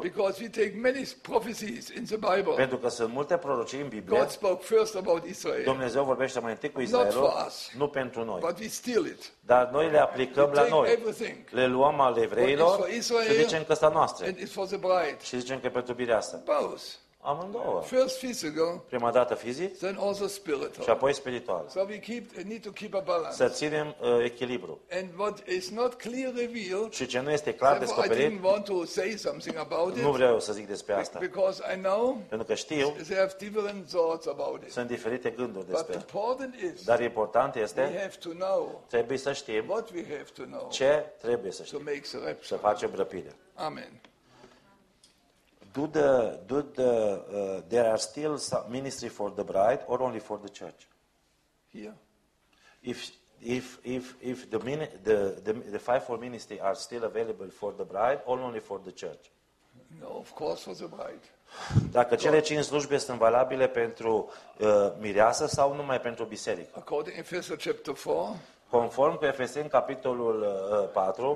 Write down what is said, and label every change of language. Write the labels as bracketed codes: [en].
[en] Because we take many prophecies in the Bible. [ro] Pentru că sunt multe prorocii în Biblie. [en] God spoke first about Israel. [ro] Dumnezeu vorbește mai întâi cu Israelul. [en] Not for us. [ro] Nu pentru noi. [en] But we steal it. [ro] Dar noi le aplicăm [en] we [ro] la noi. [en] Everything. [ro] Le luăm al evreilor. [en] It's for Israel. [ro] Și zicem că sta noastră. [en] And it's for the bride. [ro] Și zicem că e pentru mireasă. [en] Both. [ro] Amândouă. [en] First physical, [ro] prima dată fizic, [en] then also spiritual. [ro] Și apoi spiritual. [en] So we keep, need to keep a balance. [ro] Să ținem echilibru. [en] And what is not clear revealed, [ro] și ce nu este clar descoperit, [en] I didn't want to say something about it, [ro] nu vreau să zic despre asta. [en] Because I know, [ro] pentru că știu, [en] they have different thoughts about it. [ro] Sunt diferite gânduri despre. [en] But important is, [ro] dar important este, [en] we have to know, [ro] trebuie să știm, [en] what we have to know, [ro] ce trebuie să știm, [en] to make the rapture. [ro] Să facem răpire. [en] Amen. Do the there are still some ministry for the bride or only for the church? Here. If the fivefold ministry are still available for the bride or only for the church? No, of course for the bride. [ro] Dacă cele cinci slujbe sunt valabile pentru mireasă sau numai pentru biserică? [en] According to Ephesians chapter 4. [ro] Conform cu Efeseni capitolul 4,